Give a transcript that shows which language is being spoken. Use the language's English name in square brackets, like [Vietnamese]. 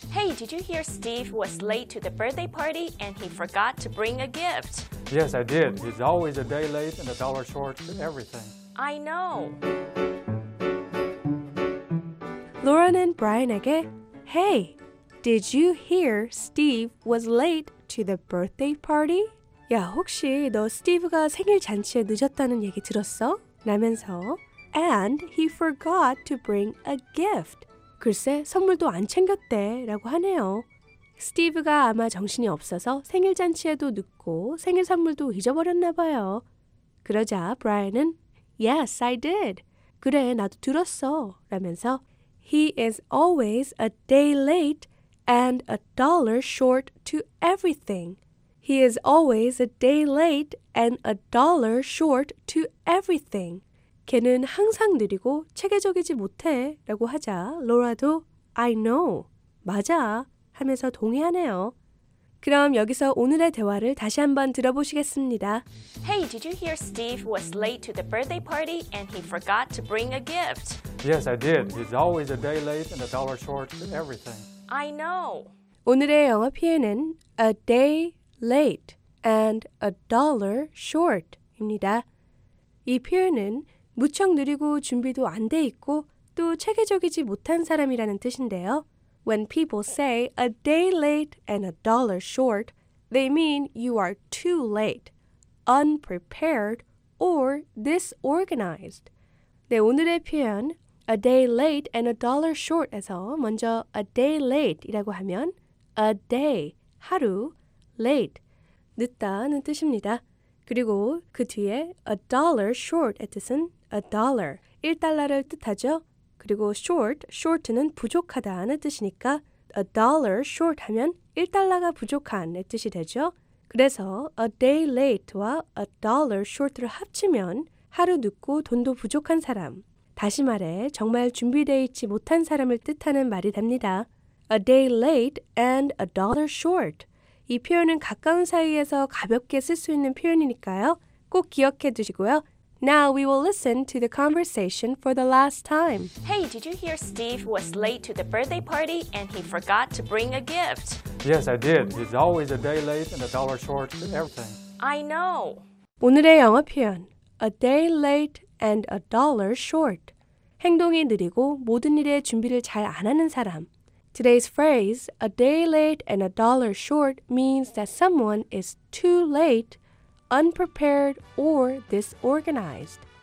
[English] Hey, did you hear Steve was late to the birthday party and he forgot to bring a gift? Yes, I did. He's always a day late and a dollar short for everything. I know. [Korean] Lauren은 Brian에게, [English] Hey, did you hear Steve was late to the birthday party? [Korean] 야, 혹시 너 스티브가 생일 잔치에 늦었다는 얘기 들었어? 라면서, [English] And he forgot to bring a gift. [Korean] 글쎄, 선물도 안 챙겼대 라고 하네요. 스티브가 아마 정신이 없어서 생일 잔치에도 늦고 생일 선물도 잊어버렸나 봐요. 그러자 브라이언은 [English] Yes, I did. [Korean] 그래, 나도 들었어. 라면서 [English] He is always a day late and a dollar short to everything. He is always a day late and a dollar short to everything. [Korean] 걔는 항상 느리고 체계적이지 못해 라고 하자 로라도 [English] I know, [Korean] 맞아 하면서 동의하네요. 그럼 여기서 오늘의 대화를 다시 한번 들어보시겠습니다. [English] Hey, did you hear Steve was late to the birthday party and he forgot to bring a gift? Yes, I did. He's always a day late and a dollar short for everything. I know. [Korean] 오늘의 영어 표현은 [English] a day late and a dollar short [Korean] 입니다. 이 표현은 무척 느리고 준비도 안 돼 있고 또 체계적이지 못한 사람이라는 뜻인데요. [English] When people say a day late and a dollar short, they mean you are too late, unprepared, or disorganized. [Korean] 네, 오늘의 표현 [English] a day late and a dollar short [Korean] 에서 먼저 [English] a day late [Korean] 이라고 하면 [English] a day, [Korean] 하루, [English] late, [Korean] 늦다는 뜻입니다. 그리고 그 뒤에 [English] a dollar short [Korean] 의 뜻은 [English] A dollar, [Korean] 1달러를 뜻하죠. 그리고 short, short는 부족하다는 뜻이니까 [English] a dollar short [Korean] 하면 1달러가 부족한의 뜻이 되죠. 그래서 [English] a day late [Korean] 와 [English] a dollar short [Korean] 를 합치면 하루 늦고 돈도 부족한 사람, 다시 말해 정말 준비되어 있지 못한 사람을 뜻하는 말이 됩니다. [English] A day late and a dollar short. [Korean] 이 표현은 가까운 사이에서 가볍게 쓸 수 있는 표현이니까요. 꼭 기억해 두시고요. [English] Now we will listen to the conversation for the last time. Hey, did you hear Steve was late to the birthday party and he forgot to bring a gift? Yes, I did. He's always a day late and a dollar short for everything. I know. [Korean] 오늘의 영어 표현, [English] a day late and a dollar short. [Korean] 행동이 느리고 모든 일에 준비를 잘 안 하는 사람. [English] Today's phrase, a day late and a dollar short, means that someone is too late unprepared or disorganized.